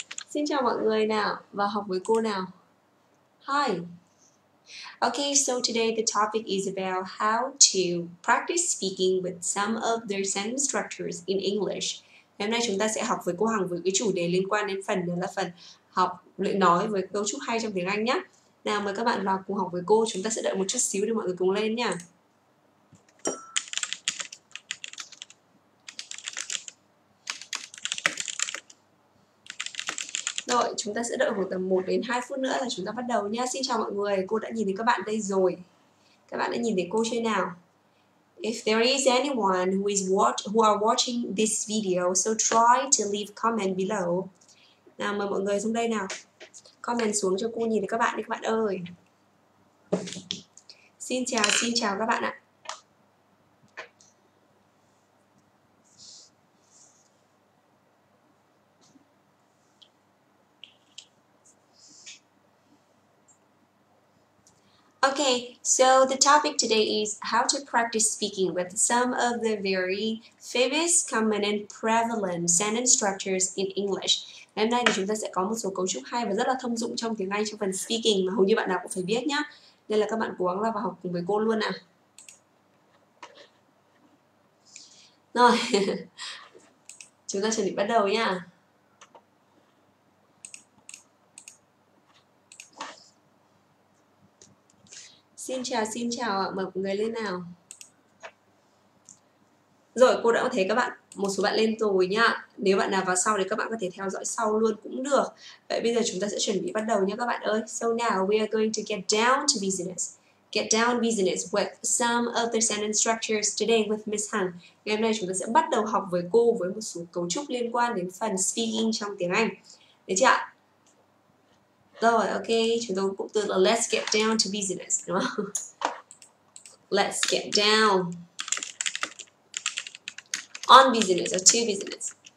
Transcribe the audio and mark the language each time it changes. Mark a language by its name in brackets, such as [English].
[Vietnamese] Xin chào mọi người nào và học với cô nào. [English] Hi. Okay, so today the topic is about how to practice speaking with some of their sentence structures in English. [Vietnamese] Hôm nay chúng ta sẽ học với cô Hằng với cái chủ đề liên quan đến phần đó là phần học luyện nói với cấu trúc hay trong tiếng Anh nhé. Nào mời các bạn vào cùng học với cô, chúng ta sẽ đợi một chút xíu để mọi người cùng lên nha. Rồi, chúng ta sẽ đợi khoảng tầm 1 đến 2 phút nữa là chúng ta bắt đầu nha. Xin chào mọi người, cô đã nhìn thấy các bạn đây rồi. Các bạn đã nhìn thấy cô chưa nào? [English] If there is anyone who is who are watching this video, so try to leave comment below. [Vietnamese] Nào mời mọi người xuống đây nào. Comment xuống cho cô nhìn thấy các bạn đi các bạn ơi. Xin chào các bạn ạ. Okay, so the topic today is how to practice speaking with some of the very famous, common, and prevalent sentence structures in English. Hôm nay thì chúng ta sẽ có một số cấu trúc hay và rất là thông dụng trong tiếng Anh trong phần speaking mà hầu như bạn nào cũng phải biết nhá. Nên là các bạn cố gắng là vào học cùng với cô luôn nào. Rồi, chúng ta chuẩn bị bắt đầu nhá. Xin chào ạ, mời mọi người lên nào. Rồi, cô đã có thấy các bạn, một số bạn lên rồi nhá. Nếu bạn nào vào sau thì các bạn có thể theo dõi sau luôn cũng được. Vậy bây giờ chúng ta sẽ chuẩn bị bắt đầu nhá các bạn ơi. [English] So now we are going to get down to business. Get down business with some of the sentence structures today with Miss Hằng. [Vietnamese] Ngày hôm nay chúng ta sẽ bắt đầu học với cô với một số cấu trúc liên quan đến phần speaking trong tiếng Anh. Đấy chứ ạ? Rồi, ok, chúng tôi cũng từ là [English] let's get down to business, [Vietnamese] đúng không? [English] Let's get down on business or to business.